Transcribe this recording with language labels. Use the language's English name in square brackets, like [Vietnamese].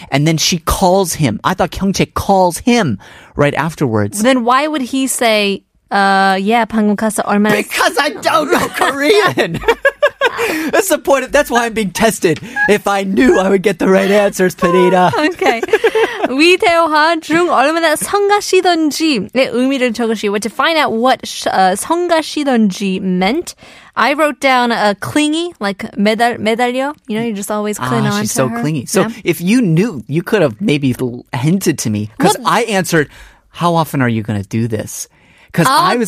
[English] And then she calls him. I thought Kyung-che calls him right afterwards. Then why would he say, yeah, [Korean] 방금 가서 얼마나... [English] Because I don't know Korean. That's the point. That's why I'm being tested. If I knew, I would get the right answers, Panita. Okay. [Korean] 위 대화 중 얼마나 성가시던지의 의미를 적으시오. [English] But to find out what 성가시던지 meant, I wrote down a clingy, like 매달려. You know, you're just always clinging on to her. She's so clingy. So yeah. If you knew, you could have maybe hinted to me. Because I answered, how often are you going to do this? Because I was